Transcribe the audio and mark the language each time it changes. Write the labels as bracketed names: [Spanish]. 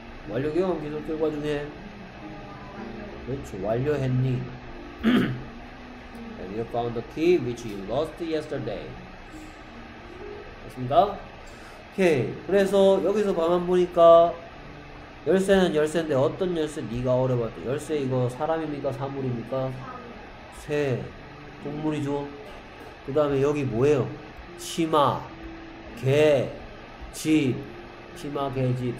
[Korean] 완료 경험 계속 결과 중에 그렇죠. 완료했니? [English] Have you found the key which you lost yesterday? [Korean] 됐습니다. 오케이. 그래서 여기서 방안 보니까 열쇠는 열쇠인데 어떤 열쇠? 네가 어려봤던 열쇠. 이거 사람입니까 사물입니까? 새 동물이죠. 그 다음에 여기 뭐예요? 치마, 개, 집. 치마, 개, 집.